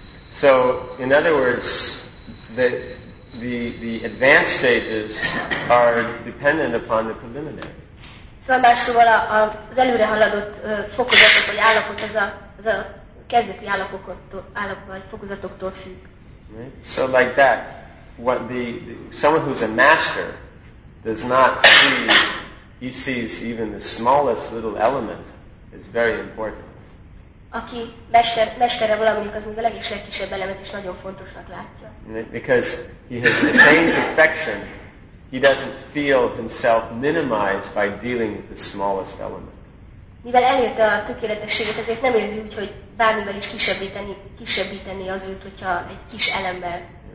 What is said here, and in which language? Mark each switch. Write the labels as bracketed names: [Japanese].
[English] So, in other words, the advanced stages are dependent upon the preliminary. [Hungarian] So, más szóval az előre haladott fokozatok vagy állapot az a kezdeti fokozatoktól függ. [English] So, like that. What the someone who's a master does not see, he sees even the smallest little element is very important. [Hungarian] Aki mestere valaminek, az még a legkisebb elemet is nagyon fontosnak látja. [English] Because he has attained perfection, he doesn't feel himself minimized by dealing with the smallest element. [Hungarian] Mivel elérte a tökéletességet, ezért nem érzi úgy, hogy bármivel is kisebbíteni az őt, hogyha egy kis elemmel.